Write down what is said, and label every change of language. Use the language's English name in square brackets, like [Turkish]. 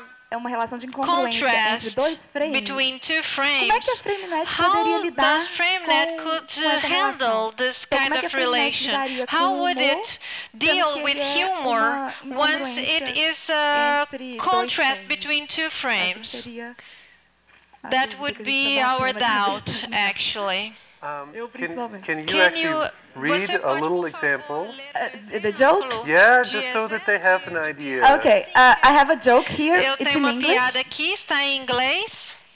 [Portuguese] é uma relação de incongruência entre dois frames. [English] Between two frames. [Portuguese] Como é que a FrameNet poderia lidar com essa relação? [English] Could handle this kind of relation? How would it deal with humor once it is a contrast between two frames? That would be our doubt, actually. Can you read a little example? The joke? Yeah, just so that they have an idea. Okay, I have a joke here. It's in English. [Portuguese] Eu tenho uma piada aqui, está em inglês.